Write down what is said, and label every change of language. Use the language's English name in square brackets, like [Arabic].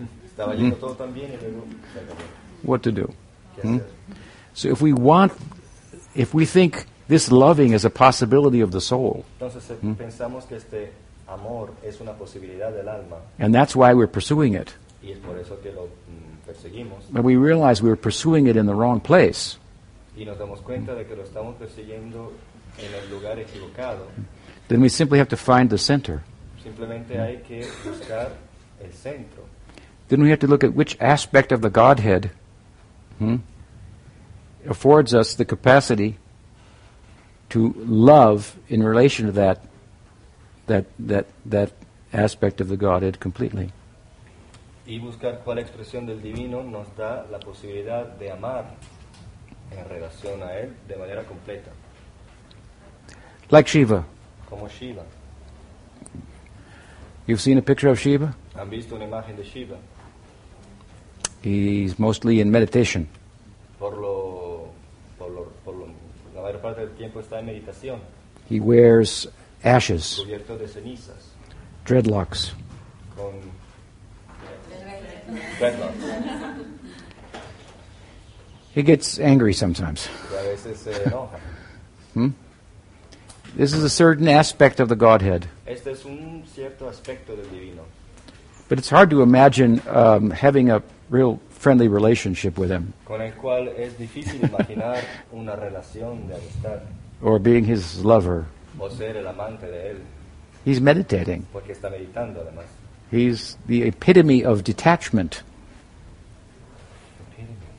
[Spanish] Estaba yendo todo tan bien y luego se acabó. [English] What to do? Hmm? So if we think this loving is a possibility of the soul, [Spanish] entonces, pensamos que este amor es una posibilidad del alma, [English] and that's why we're pursuing it, [Spanish] y es por eso que lo perseguimos, [English] but we realize we're pursuing it in the wrong place, [Spanish] y nos damos cuenta de que lo estamos persiguiendo en el lugar equivocado, [English] then we simply have to find the center. [Spanish] Simplemente hay que buscar el centro. [English] Then we have to look at which aspect of the Godhead affords us the capacity to love in relation to that aspect of the Godhead completely. [Spanish] Y buscar cuál expresión del divino nos da la posibilidad de amar en relación a él de manera completa. [English] Like Shiva. [Spanish] Como Shiva. [English] You've seen a picture of Shiva? [Spanish] ¿Han visto una imagen de Shiva? [English] He's mostly in meditation. [Spanish] La mayor parte del tiempo está en meditación. [English] He wears ashes. [Spanish] Cubierto de cenizas. [English] Dreadlocks. [Spanish] Con dreadlocks. [English] He gets angry sometimes. [Spanish] Y a veces se enoja. [English] This is a certain aspect of the Godhead. [Spanish] Este es un cierto aspecto del divino. [English] But it's hard to imagine having a real friendly relationship with him. [Spanish] Con el cual es difícil imaginar una relación de amistad. [English] Or being his lover. [Spanish] O ser el amante de él. [English] He's meditating. [Spanish] Porque está meditando, además. [English] He's the epitome of detachment. [Spanish] Epitome.